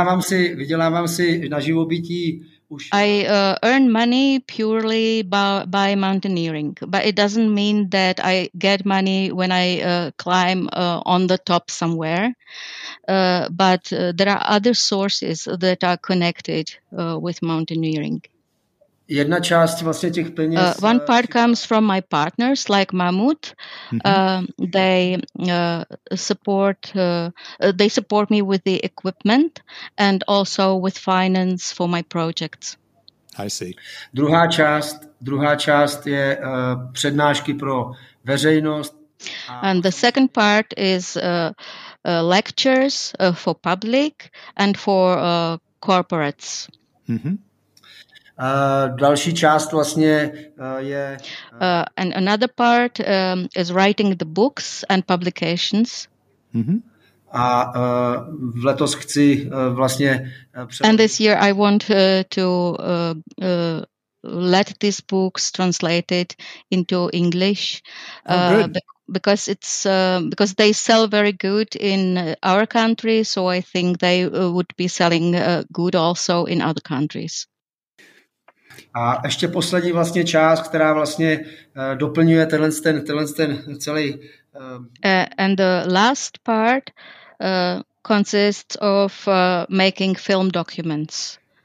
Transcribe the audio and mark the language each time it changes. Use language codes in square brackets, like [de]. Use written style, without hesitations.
[cs] vydělávám si na živobytí už. [en] I earn money purely by mountaineering, but it doesn't mean that I get money when I climb on the top somewhere. But there are other sources that are connected with mountaineering. [cs] Jedna část vlastně těch peněz. [en] One part comes from my partners, like Mahmoud. They support me with the equipment and also with finance for my projects. I see. [cs] Druhá část je přednášky pro veřejnost. [en] And the second part is lectures for public and for corporates. [cs] Další část vlastně je. [en] And another part is writing the books and publications. [cs] A v letos chci vlastně. [en] And this year I want to let these books translated into English. Because it's because they sell very good in our country, so I think they would be selling good also in other countries. [cs] A ještě poslední vlastně část, která vlastně doplňuje tenhle ten celý... [en] And the last part consists of making film documents.